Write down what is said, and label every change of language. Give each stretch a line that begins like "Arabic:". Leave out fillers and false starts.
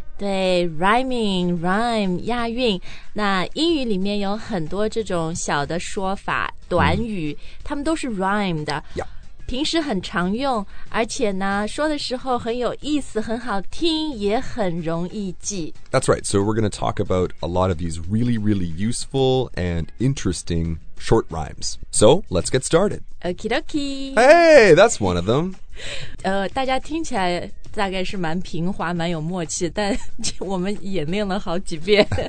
Chinese: 对， rhyming, rhyme, 押韵。那英语里面有很多这种小的说法、短语，他们都是 rhyme 的。
English: Yeah.
Chinese: 平时很常用，而且呢，说的时候很有意思，很好听，也很容易记。
English: That's right. So we're going to talk about a lot of these really, really useful and interesting short rhymes. So let's get started. Okie dokie. Hey, that's one of them.
Chinese: 大家听起来大概是蛮平滑，蛮有默契，但我们演练了好几遍。